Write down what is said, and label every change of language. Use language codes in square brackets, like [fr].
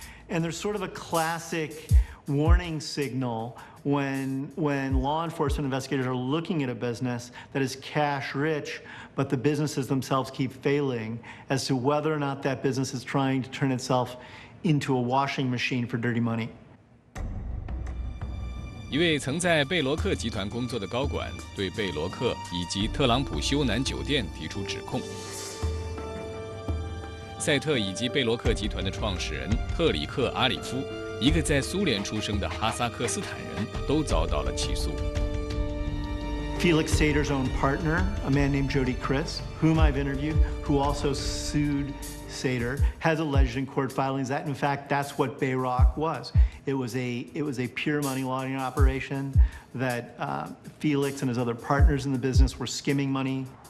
[en] And there's sort of a classic warning signal when law enforcement investigators are looking at a business that is cash rich, but the businesses themselves keep failing, as to whether or not that business is trying to turn itself into a washing machine for dirty money. [zh] 一位曾在贝罗克集团工作的高管对贝罗克以及特朗普休南酒店提出指控。赛特以及贝罗克集团的创始人特里克·阿里夫，一个在苏联出生的哈萨克斯坦人，都遭到了起诉。 [en] Felix Sater's own partner, a man named Jody Kriss, whom I've interviewed, who also sued Sater, has alleged in court filings that, in fact, that's what Bayrock was. It was a pure money laundering operation that Felix and his other partners in the business were skimming money.